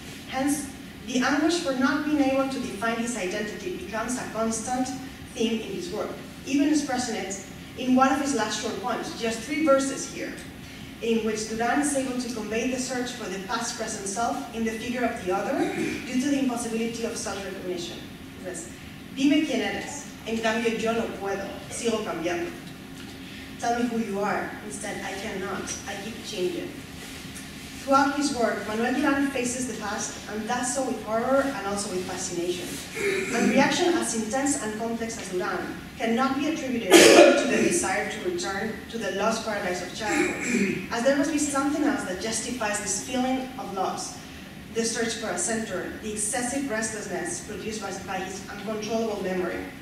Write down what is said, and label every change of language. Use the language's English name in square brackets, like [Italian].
[English] Hence, the anguish for not being able to define his identity becomes a constant theme in his work, even expressing it in one of his last short poems, just three verses here, in which Durán is able to convey the search for the past present self in the figure of the other due to the impossibility of self-recognition. He says, [Spanish] dime quién eres, en cambio yo no puedo, sigo cambiando. [English] Tell me who you are, instead I cannot, I keep changing. Throughout his work, Manuel Durán faces the past and does so with horror and also with fascination. A reaction as intense and complex as Durán cannot be attributed to the desire to return to the lost paradise of childhood, as there must be something else that justifies this feeling of loss, the search for a center, the excessive restlessness produced by his uncontrollable memory.